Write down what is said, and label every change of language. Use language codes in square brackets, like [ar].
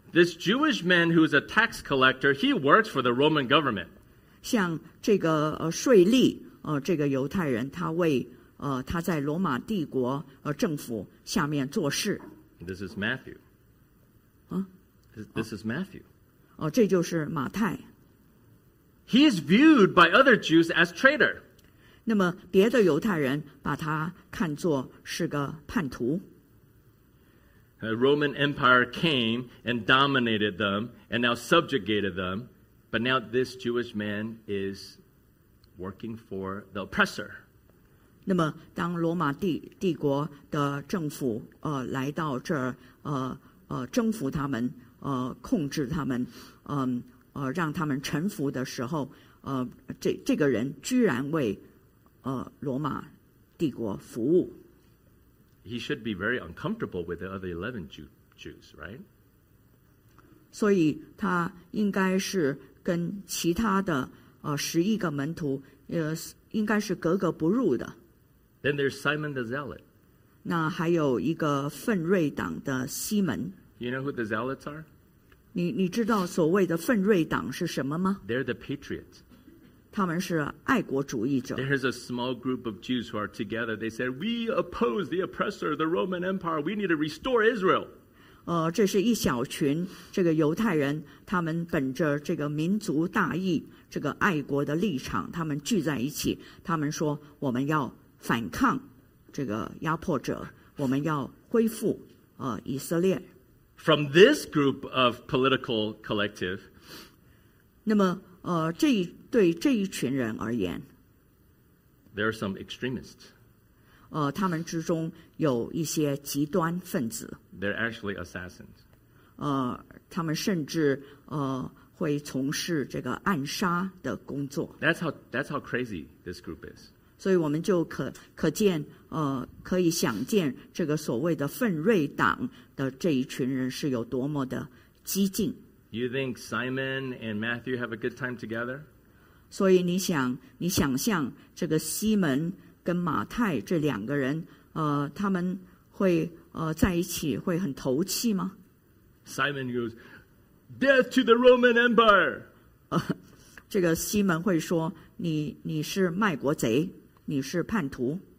[en] This Jewish man who is a tax collector, he works for the Roman government. [zh] 像这个税吏这个犹太人，他为他在罗马帝国政府下面做事。 [en] This is Matthew. 啊，This is Matthew. [zh] 这就是马太。 [en] He is viewed by other Jews as traitor. [zh] 那么别的犹太人把他看作是个叛徒。 [en] The Roman Empire came and dominated them and now subjugated them. But now this Jewish man is working for the oppressor. [zh] 那么当罗马帝国的政府来到这儿征服他们控制他们让他们臣服的时候这个人居然为罗马帝国服务。 [en] He should be very uncomfortable with the other 11 Jews, right? [zh] 所以他应该是跟其他的十一个门徒应该是格格不入的。 [en] Then there's Simon the Zealot. [zh] 那还有一个奋锐党的西门。 [en] You know who the Zealots are? [zh] 你知道所谓的奋锐党是什么吗？ [en] They're the patriots. [zh] 他们是爱国主义者。 [en] There is a small group of Jews who are together. They said, "We oppose the oppressor, the Roman Empire. We need to restore Israel." [zh] 这是一小群这个犹太人，他们本着这个民族大义、这个爱国的立场，他们聚在一起。他们说，我们要反抗这个压迫者，我们要恢复以色列。 [en] From this group of political collective, [zh] 那么这一。对这一群人而言 [en] There are some extremists. [zh] 他们之中有一些极端分子。 [en] They're actually assassins. [zh] 他们甚至会从事这个暗杀的工作。 [en] That's how crazy this group is. [zh] 所以我们就可见可以想见这个所谓的奋锐党的这一群人是有多么的激进。 [en] You think Simon and Matthew have a good time together? [zh] 所以你想象这个西门跟马太这两个人他们会在一起会很投契吗？ [en] Simon goes, Death to the Roman Empire! [zh] 这个西门会说你是卖国贼，你是叛徒。